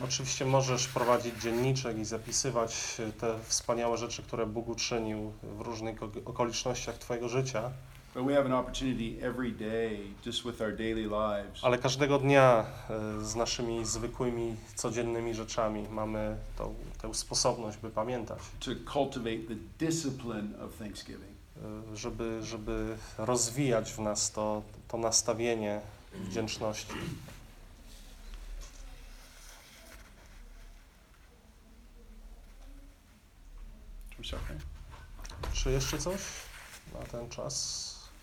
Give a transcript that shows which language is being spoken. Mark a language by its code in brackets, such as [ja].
[pl] Oczywiście możesz prowadzić dzienniczek i zapisywać te wspaniałe rzeczy, które Bóg uczynił w różnych okolicznościach twojego życia. [en] But we have an opportunity every day, just with our daily lives. [pl] Ale każdego dnia z naszymi zwykłymi, codziennymi rzeczami mamy tę sposobność, by pamiętać. [en] To cultivate the discipline of thanksgiving. [pl] Żeby rozwijać w nas to nastawienie wdzięczności. [en] Okay. [pl] Czy jeszcze coś na ten czas?